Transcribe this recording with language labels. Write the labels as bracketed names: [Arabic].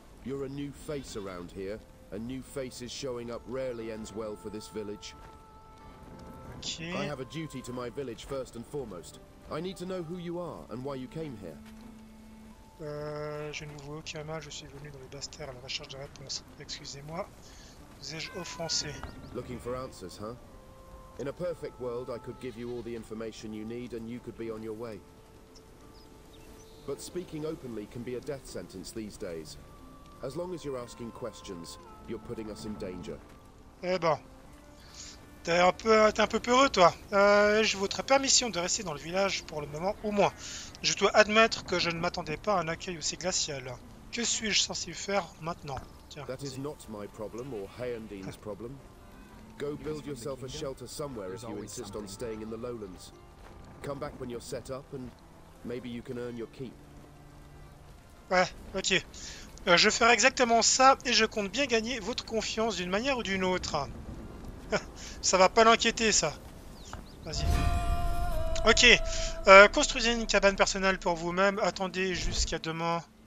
[English] You're a new face around here, and new faces showing up rarely ends well for this village. Ok. I have a duty to my village first and foremost. I need to know who you are and why you came here. [French] Je ne vous vois aucun mal. Je suis venu dans les Bastères à la recherche de réponses. Excusez-moi. Vous ai-je offensé? [English] Looking for answers, huh? In a perfect world, I could give you all the information you need and you could be on your way. But speaking openly can be a death sentence these days. As long as you're asking questions, you're putting us in danger. [French] Eh ben, t'es un peu peureux, toi. J'ai votre permission de rester dans le village pour le moment, au moins. Je dois admettre que je ne m'attendais pas à un accueil aussi glacial. Que suis-je censé faire maintenant? [English] Tiens, that is not my problem or Heyandine's problem. Go build yourself a shelter somewhere if you insist on staying in the lowlands. Come back when you're set up and maybe you can earn your keep. [French] Ouais, ok. Je ferai exactement ça et je compte bien gagner votre confiance d'une manière ou d'une autre. Ça va pas l'inquiéter, ça. Vas-y. Ok. Construisez une cabane personnelle pour vous-même. Attendez jusqu'à demain.